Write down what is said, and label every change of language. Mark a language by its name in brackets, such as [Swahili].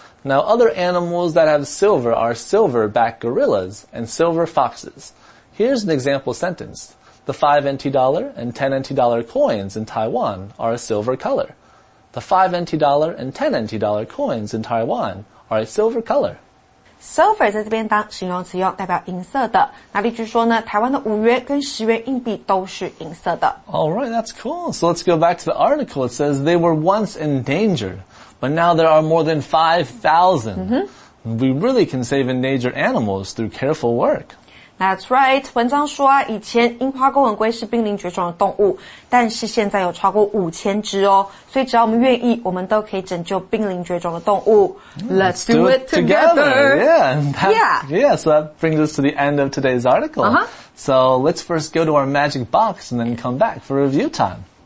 [English] Now, other animals that have silver are silverback gorillas and silver foxes. Here's an example sentence. The 5 NT dollar and 10 NT dollar coins in Taiwan are a silver color. The 5 NT dollar and 10 NT dollar coins in Taiwan are a silver color. [Chinese] Silver 在这边当形容词用，代表银色的。那例句说呢，台湾的五元跟十元硬币都是银色的。 [English] Alright, that's cool. So let's go back to the article. It says they were once endangered, but now there are more than 5,000. We really can save endangered animals through careful work. That's right. [Chinese] 文章说啊，以前樱花钩吻鲑是濒临绝种的动物，但是现在有超过5000只哦。所以只要我们愿意，我们都可以拯救濒临绝种的动物。 [English] Let's do it together. Yeah, so that brings us to the end of today's article. So let's first go to our magic box and then come back for review time.